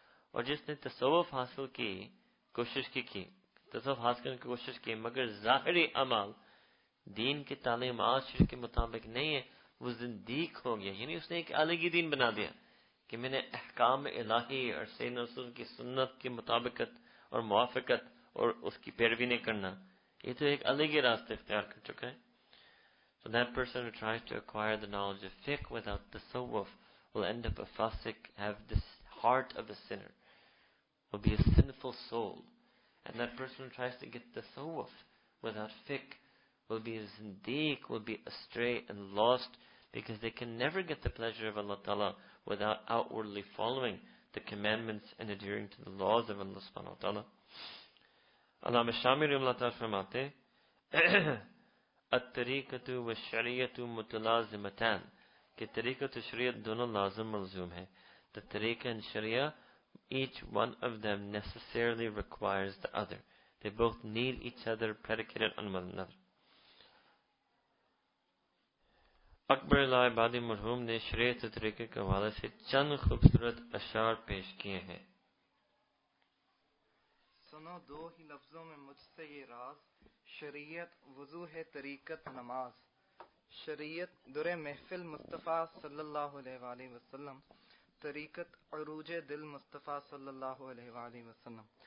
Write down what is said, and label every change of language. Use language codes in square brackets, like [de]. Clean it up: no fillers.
[ur] اور جس نے تصوف حاصل کی کوشش کی تصوف حاصل کرنے کی کوشش کی مگر ظاہری عمل دین کے تعلیمات کے مطابق نہیں ہے وہ زندیق ہو گیا, یعنی اس نے ایک الگ ہی دین بنا دیا کہ میں نے احکام الہی اور سید رسول کی سنت کی مطابقت اور موافقت اور اس کی پیروی نہیں کرنا, یہ تو ایک الگ ہی راستہ اختیار کر چکا ہے. [en] So that person who tries to acquire the knowledge of fiqh without tasawwuf will end up a fasiq, have the heart of a sinner, will be a sinful soul. And that person who tries to get tasawwuf without fiqh will be a zindiq, will be astray and lost, because they can never get the pleasure of Allah Ta'ala without outwardly following the commandments and adhering to the laws of Allah Subhanahu wa Ta'ala. [ur] Allah Mishami Rimla Ta'ala Farmate, [ar] الطریقت و شریعت متلازمتان, [ur] کہ طریقت و شریعت دونوں لازم ملزوم ہیں. [en] The طریقہ and شریعہ, each one of them necessarily requires the other. They both need each other, predicated on one another. [ur] اکبر اللہ عبادی مرحوم نے شریعت و طریقہ کے حوالے سے چند خوبصورت اشعار پیش کیے ہیں. سنو دو ہی لفظوں میں مجھ سے یہ راز, شریعت وضو ہے طریقت نماز, شریعت در محفل مصطفیٰ صلی اللہ علیہ وآلہ وسلم, طریقت عروج دل مصطفیٰ صلی اللہ علیہ وآلہ وسلم.